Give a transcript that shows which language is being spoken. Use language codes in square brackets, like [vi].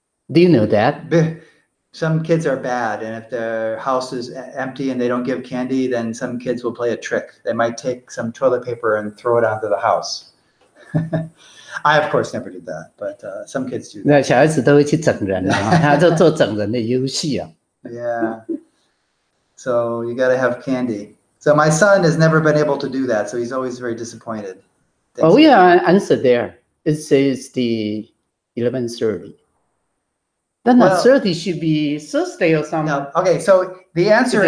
[en] Do you know that? Some kids are bad, and if their house is empty and they don't give candy, then some kids will play a trick. They might take some toilet paper and throw it onto the house. I, of course, never did that, but some kids do that. [zh] 小孩子都会去整人，他就做整人的游戏啊。 [en] Yeah. So you got to have candy. So my son has never been able to do that. So he's always very disappointed. Oh, yeah, answer there. It says the 11:30. Then 30 should be Thursday or something. No. Okay, so the answer the